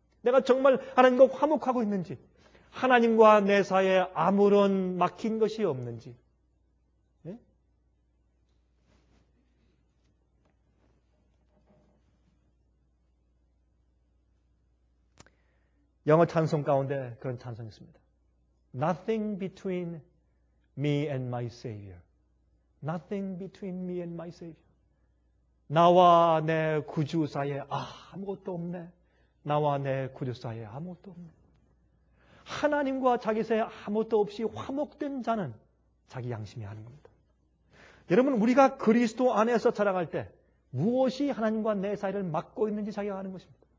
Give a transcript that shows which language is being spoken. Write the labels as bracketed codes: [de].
[ko] 내가 정말 하나님과 화목하고 있는지, 하나님과 내 사이에 아무런 막힌 것이 없는지. 네? 영어 찬송 가운데 그런 찬송이 있습니다. [en] Nothing between me and my Savior. Nothing between me and my Savior. [ko] 나와 내 구주 사이에 아무것도 없네. 나와 내 구주 사이에 아무것도 없네. 하나님과 자기 사이에 아무것도 없이 화목된 자는 자기 양심이 하는 겁니다. 여러분, 우리가 그리스도 안에서 살아갈 때 무엇이 하나님과 내 사이를 막고 있는지 자기가 아는 것입니다.